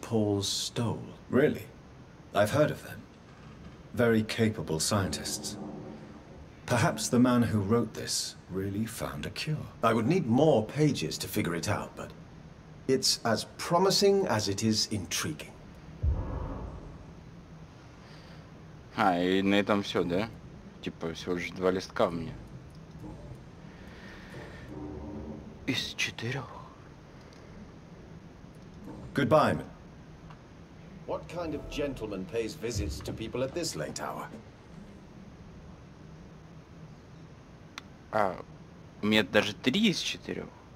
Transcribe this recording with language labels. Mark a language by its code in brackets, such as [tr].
[en] Paul's Stole. Really? I've heard of them. Very capable scientists. Perhaps the man who wrote this really found a cure. I would need more pages to figure it out, but it's as promising as it is intriguing. [ru] А, и на этом всё, да? Типа, всего лишь два листка у меня. Из четырёх. [en] Goodbye. What kind of gentleman pays visits to people at this late hour? [ru] А, у меня даже три из четырех.